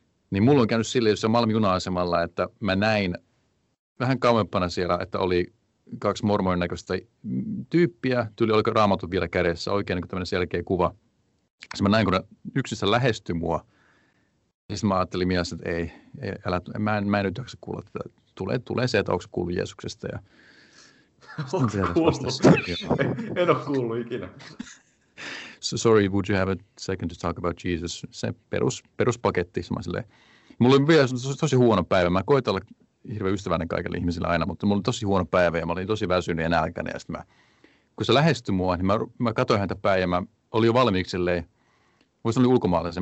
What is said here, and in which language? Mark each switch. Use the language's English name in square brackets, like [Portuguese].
[Finnish] Niin mulla on käynyt silleen, jossa Malmin juna-asemalla, että mä näin vähän kauempana siellä, että oli kaksi mormonin näköistä tyyppiä, tyyli oliko raamatut vielä kädessä, oikein niin tämmöinen selkeä kuva. Sitten mä näin, kun yksissä lähestyi mua, ja sitten mä ajattelin mielessä, että mä en nyt jaksa kuulla tätä. Tulee se, että onko se kuullut Jeesuksesta. Ja on kuullut. En ole kuullut ikinä. [English] so sorry, would you have a second to talk about Jesus? [Finnish] Se peruspaketti, se on silleen. Mulla oli vielä tosi huono päivä. Mä koitan olla hirveän ystävällinen kaikille ihmisille aina, mutta mulla oli tosi huono päivä ja mä olin tosi väsynyt ja nälkäinen. Ja sitten kun se lähestyi mua, niin mä katsoin häntä päin ja mä olin jo valmiiksi silleen. Muistan, oli ulkomaalaisen.